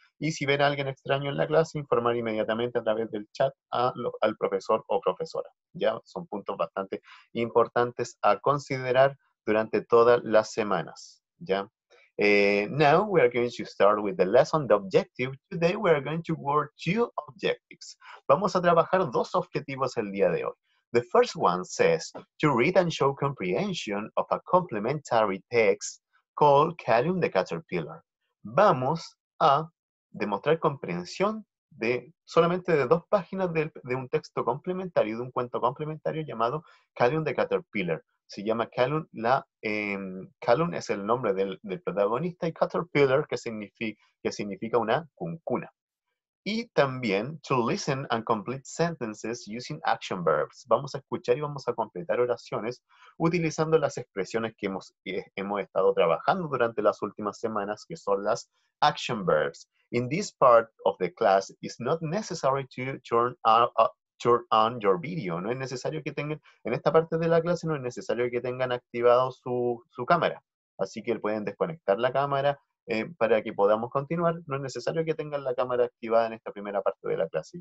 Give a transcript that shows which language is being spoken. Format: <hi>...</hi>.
<es>Y si ven a alguien extraño en la clase, informar inmediatamente a través del chat al profesor o profesora. Ya son puntos bastante importantes a considerar durante todas las semanas. ¿Ya?</es> <en>Now we are going to start with the lesson, the objective. Today we are going to work two objectives.</en> <es>Vamos a trabajar dos objetivos el día de hoy.</es> <en>The first one says to read and show comprehension of a complementary text called Calum the Caterpillar.</en> <es>Vamos a demostrar comprensión de solamente de dos páginas de un texto complementario, de un cuento complementario llamado Calum the Caterpillar. Se llama Calum, Calum es el nombre del protagonista y Caterpillar que significa una cuncuna. Y también</es> <en>to listen and complete sentences using action verbs.</en> <es>Vamos a escuchar y vamos a completar oraciones utilizando las expresiones que hemos estado trabajando durante las últimas semanas, que son las action verbs.</es> <en>In this part of the class, it's not necessary to turn on your video.</en> <es>No es necesario que tengan, en esta parte de la clase, no es necesario que tengan activado su cámara. Así que pueden desconectar la cámara para que podamos continuar. No es necesario que tengan la cámara activada en esta primera parte de la clase.</es>